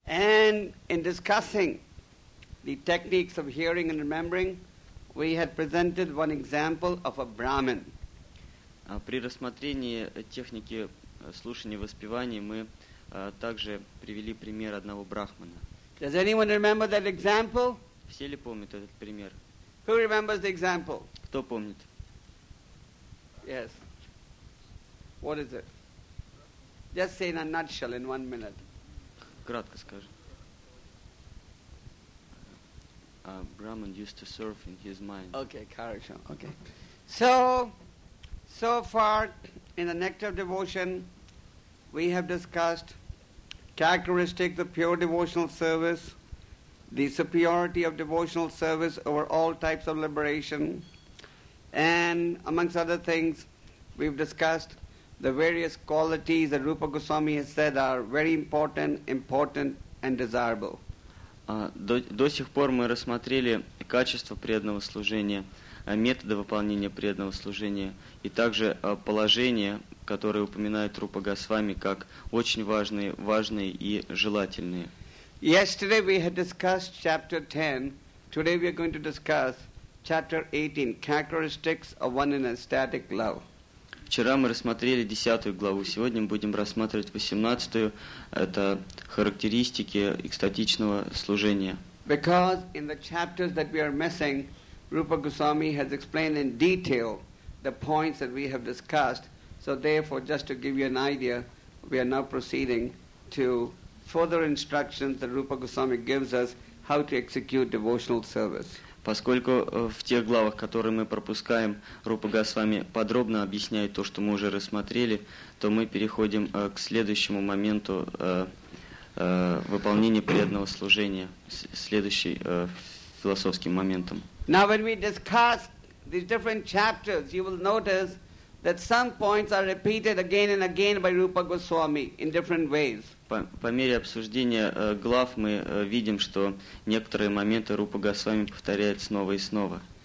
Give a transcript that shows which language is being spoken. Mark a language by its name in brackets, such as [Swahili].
[English] then, in discussing the techniques of hearing and remembering, we had presented one example of a Brahmin. [Russian] При рассмотрении техники слушания и воспевания мы также привели пример одного брахмана. [English] Does anyone remember that example? [Russian] Все ли помнят этот пример? [English] Who remembers the example? [Russian] Кто помнит? [English] Yes. What is it? Just say in a nutshell, in 1 minute. [Russian] Кратко скажи. [English] A Brahmin used to surf in his mind. Okay, [Russian] хорошо. [English] Okay. So far, in the Nectar of Devotion, we have discussed characteristics of pure devotional service, the superiority of devotional service over all types of liberation, and amongst other things, we've discussed the various qualities that Rupa Goswami has said are very important and desirable. [Russian] До сих пор мы рассмотрели качество преданного служения, методы выполнения преданного служения и также положения, которые упоминают Рупа Госвами как очень важные и желательные. [English] Yesterday we had discussed chapter 10. Today we are going to discuss chapter 18, characteristics of one in ecstatic love. [Russian] Вчера мы рассмотрели 10 главу, сегодня мы будем рассматривать 18-ю. Это характеристики экстатичного служения. [English] Because in the chapters that we are missing, Rupa Goswami has explained in detail the points that we have discussed. So therefore, just to give you an idea, we are now proceeding to further instructions that Rupa Goswami gives us how to execute devotional service. [Russian] Поскольку в тех главах, которые мы пропускаем, Рупа Госвами подробно объясняет то, что мы уже рассмотрели, то мы переходим к следующему моменту выполнения преданного служения, следующий философским моментом. [English] Now when we discuss these different chapters, you will notice that some points are repeated again and again by Rupa Goswami in different ways. [Russian] По мере обсуждения глав мы видим, что некоторые моменты Рупа Госвами повторяет снова и снова.